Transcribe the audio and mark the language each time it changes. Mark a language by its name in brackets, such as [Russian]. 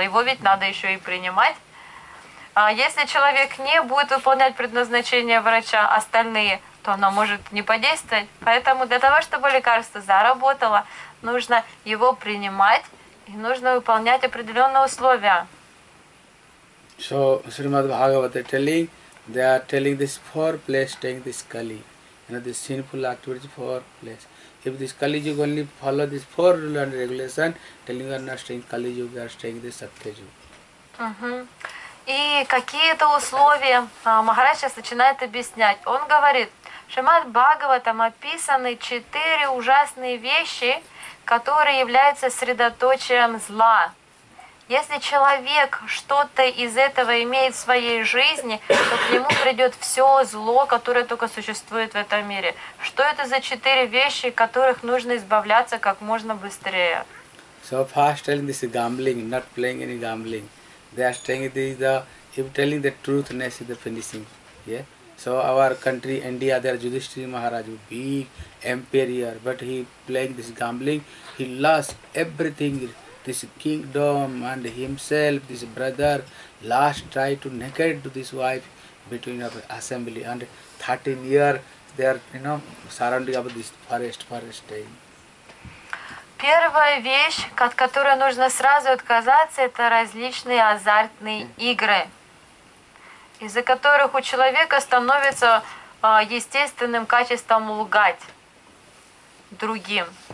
[Russian] Его ведь надо еще и принимать. А если человек не будет выполнять предназначение врача, остальные, то оно может не подействовать. Поэтому для того, чтобы лекарство заработало, нужно его принимать и нужно выполнять определенные условия. [English] So, Srimad Bhagavata telling, they are telling this four place taking this Kali. You know, this sinful activity four place. If this Kali Yuga only follow this four rule and regulation, telling you are not staying Kali Yuga, you are staying this Satya Yuga. [Russian] И какие-то условия Махарадж начинает объяснять. Он говорит, Шримад Бхагаватам описаны четыре ужасные вещи, которые являются средоточием зла. Если человек что-то из этого имеет в своей жизни, то к нему придет все зло, которое только существует в этом мире. Что это за четыре вещи, от которых нужно избавляться как можно быстрее? [English] So first telling this is gambling, not playing any gambling. They are saying this is the, if telling the truthness is the finishing. Yeah. So our country, India, there is Yudhishthira Maharaj, big emperor, but he playing this gambling, he lost everything, this kingdom and himself, this brother, last tried to naked to this wife between our assembly and 13 years they are, you know, surrounding about this forest thing. [Russian] Первая вещь, от которой нужно сразу отказаться, это различные азартные игры, из-за которых у человека становится естественным качеством лгать другим.